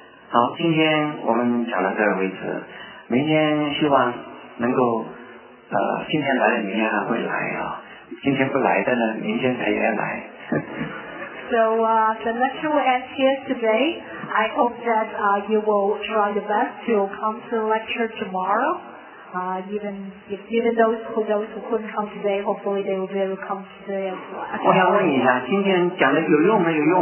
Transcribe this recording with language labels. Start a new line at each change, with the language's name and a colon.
Chinese: 好，今天我们讲到这个位置，明天希望能够今天来的明天还会来啊，今天不来的呢，明天才原来。
English: So the lecture will end here today. I hope that you will try your best to come to the lecture tomorrow. Even those who couldn't come today, hopefully they will be able to come today as well.
Chinese: 我想问一下，今天讲的有用没有用？